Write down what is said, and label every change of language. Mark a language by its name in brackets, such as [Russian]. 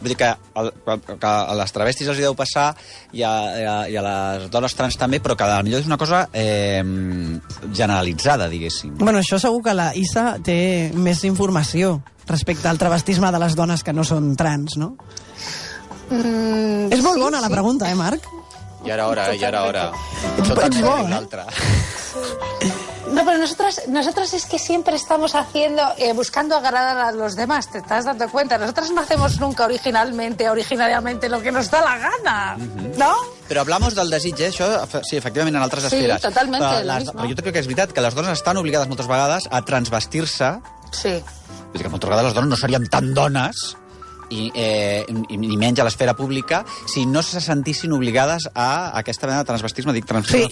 [Catalan] Vull dir que a les travestis els hi deu passar i a les dones trans també, però que potser és una cosa... generalitzada, diguéssim. Bueno, això segur que la Isa té més informació respecte al travestisme de les dones que no són trans, no? És molt bona la pregunta, Marc? I ara. Ets bo, eh? [Spanish] No, pero nosotras es que siempre estamos haciendo, buscando agradar a los demás, te estás dando cuenta. Nosotras no hacemos nunca originariamente lo que nos da la gana, ¿no? [Catalan] Però [Spanish] hablamos del [Catalan] desig, això, sí, efectivament, en altres sí, esferes. Sí, totalmente. Però jo crec que és veritat que les dones estan obligades moltes vegades a transvestir-se. Sí. És que moltes vegades les dones no serien tan dones i menys a l'esfera pública, si no se sentissin obligades a aquesta mena de transvestisme, dic transfesme.